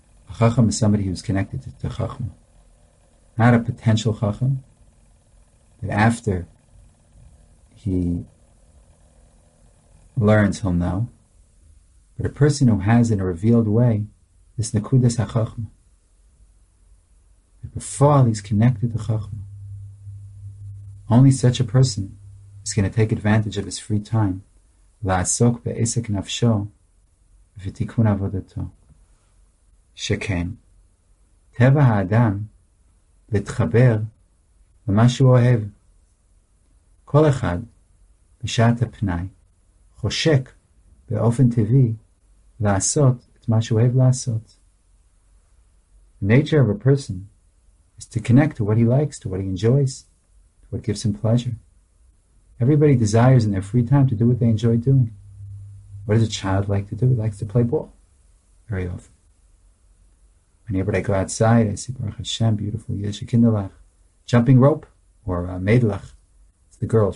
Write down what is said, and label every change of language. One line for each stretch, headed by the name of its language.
English: A chacham is somebody who is connected to chachma. Not a potential chacham, but after he learns, he'll know. But a person who has in a revealed way this nekudas hachachma. Before he's connected to chachma. Only such a person is going to take advantage of his free time
Hebrew: לעסוק בעסק נפשו ותיקון עבודתו. שכן, טבע האדם להתחבר למה שהוא אוהב. כל אחד, בשעת הפנאי, חושק באופן טבעי לעשות את מה שהוא אוהב לעשות.
English: The nature of a person is to connect to what he likes, to what he enjoys, to what gives him pleasure. Everybody desires in their free time to do what they enjoy doing. What does a child like to do? He likes to play ball very often. Whenever I go outside, I see Baruch Hashem, beautiful Yeshikindalach, jumping rope, or Meidlach. It's the girls.